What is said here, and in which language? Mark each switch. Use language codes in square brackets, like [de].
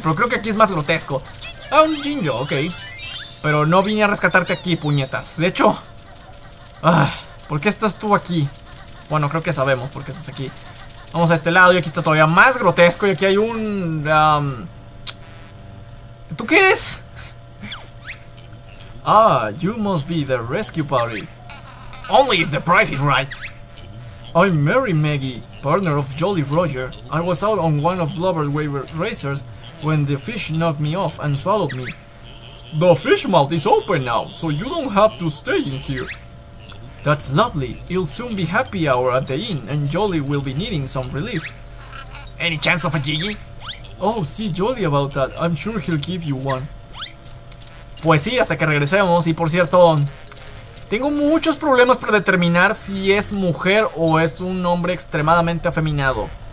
[es] Pero creo que aquí es más grotesco. Ah, un Jinjo, ok. Pero no vine a rescatarte aquí, puñetas. De hecho, ¿por qué estás tú aquí? Bueno, creo que sabemos por qué estás aquí. Vamos a este lado y aquí está todavía más grotesco. Y aquí hay un... ¿tú qué eres? [en] Ah, you must be the rescue party. Only if the price is right. I'm Mary Maggie, partner of Jolly Roger. I was out on one of Blubber Waver racers when the fish knocked me off and swallowed me. The fish mouth is open now, so you don't have to stay in here. That's lovely. It'll soon be happy hour at the inn, and Jolly will be needing some relief. Any chance of a gigi? Oh, see Jolly about that. I'm sure he'll give you one. [es] Pues sí, hasta que regresemos. Y por cierto, tengo muchos problemas para determinar si es mujer o es un hombre extremadamente afeminado.